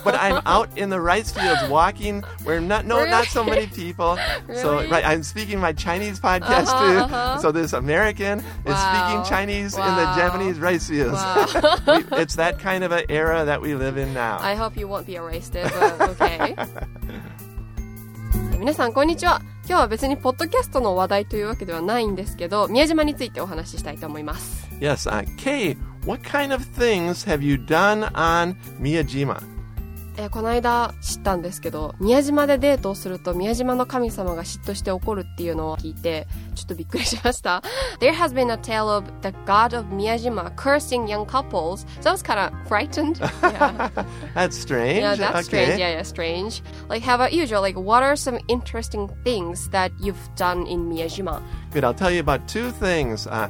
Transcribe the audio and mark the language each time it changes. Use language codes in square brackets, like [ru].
[en] But I'm out in the rice fields walking where not so many people. Really? So, right, I'm speaking my Chinese podcast, So this American is speaking Chinese in the Japanese rice fields. Wow. It's that kind of an era that we live in now. I hope you won't be a racist, but okay. [ja] 皆さん、こんにちは。今日は別にポッドキャストの話題というわけではないんですけど、宮島についてお話ししたいと思います。 [en] Yes, Kay, what kind of things have you done on Miyajima? [ja] この間知ったんですけど、宮島でデートをすると宮島の神様が嫉妬して怒るっていうのを聞いて、ちょっとびっくりしました。 [en] There has been a tale of the god of Miyajima cursing young couples. So I was kind of frightened. That's strange. Yeah, that's strange. Yeah, strange. Like, how about you, Joe? Like, what are some interesting things that you've done in Miyajima? Good, I'll tell you about two things.